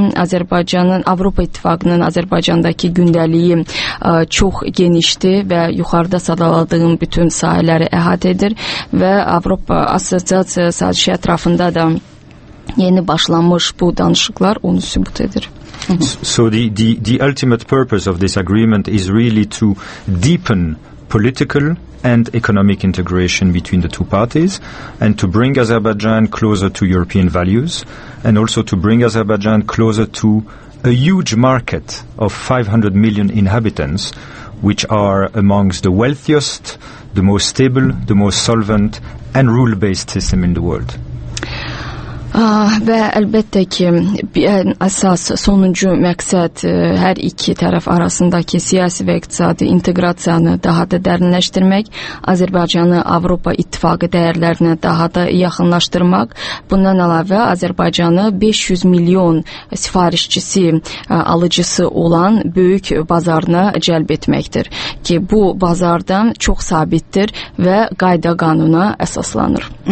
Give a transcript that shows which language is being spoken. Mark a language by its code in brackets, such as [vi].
[az] Azərbaycanın, Avropa İttifaqının Azərbaycandakı gündəliyi çox genişdir və yuxarıda sadaladığım bütün sahələri əhatə edir və Avropa Assosiasiya sazişi ətrafında da yeni başlanmış bu danışıqlar onu sübut edir. [en] So the ultimate purpose of this agreement is really to deepen political and economic integration between the two parties and to bring Azerbaijan closer to European values and also to bring Azerbaijan closer to a huge market of 500 million inhabitants, which are amongst the wealthiest, the most stable, the most solvent and rule-based system in the world. [az] Və əlbəttə ki, əsas sonuncu məqsəd hər iki tərəf arasındakı siyasi və iqtisadi inteqrasiyanı daha da dərinləşdirmək, Azərbaycanı Avropa İttifaqı dəyərlərinə daha da yaxınlaşdırmaq. Bundan əlavə Azərbaycanı 500 milyon sifarişçisi alıcısı olan böyük bazarına cəlb etməkdir ki, bu bazardan çox sabitdir və qayda qanuna əsaslanır.